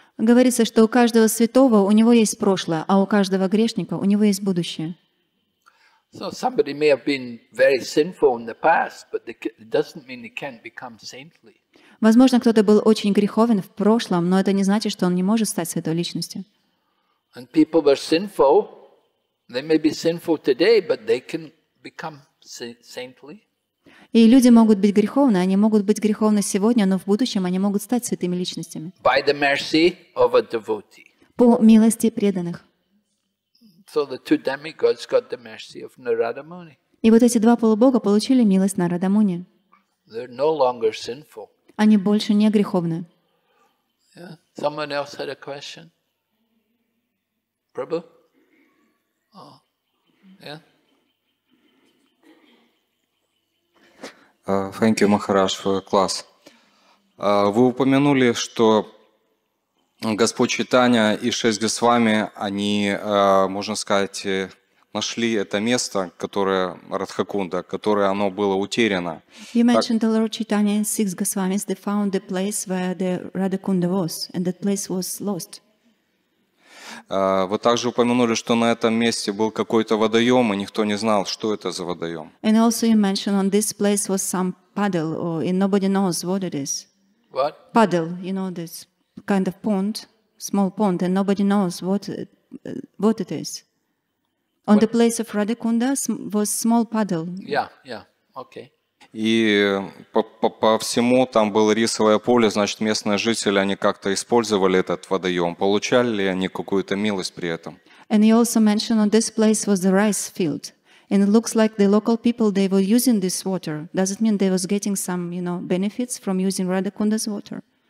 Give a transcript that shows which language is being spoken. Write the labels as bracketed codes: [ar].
[ru] Говорится, что у каждого святого у него есть прошлое, а у каждого грешника у него есть будущее. [en] So somebody may have been very sinful in the past, but it doesn't mean he can't become saintly. [ru] Возможно, кто-то был очень греховен в прошлом, но это не значит, что он не может стать святой личностью. [en] And people were sinful. They may be sinful today, but they can become saintly. [ru] И люди могут быть греховны, они могут быть греховны сегодня, но в будущем они могут стать святыми личностями. [en] By the mercy of a devotee. [ru] По милости преданных. [en] So the two demigods got the mercy of Narada Muni. [ru] И вот эти два полубога получили милость Нарада Муни. [en] They're no longer sinful. [ru] Они больше не греховны. [en] Yeah. Someone else had a question? Prabhu? Oh. Yeah. Thank you, Maharaj, for the class. [ru] Вы упомянули, что Господь Чайтанья и шесть Госвами, они, можно сказать, нашли это место, которое Радхакунда, которое оно было утеряно. [en] You mentioned the Lord Chaitanya and six Goswamis, they found the place where the Radhakunda was, and that place was lost. [ru] Вы также упомянули, что на этом месте был какой-то водоем, и никто не знал, что это за водоем. [en] And also you mentioned on this place was some puddle, and nobody knows what it is. What? Puddle, you know this. Kind of pond, small pond, and nobody knows what it is. On the place of Radhakunda was small puddle. Yeah, yeah, okay. [ru] И по всему там было рисовое поле, значит, местные жители, они как-то использовали этот водоем. Получали ли они какую-то милость при этом? [en] And he also mentioned on this place was the rice field. And it looks like the local people, they were using this water. Does it mean they was getting some, you know, benefits from using Radha Kunda's water?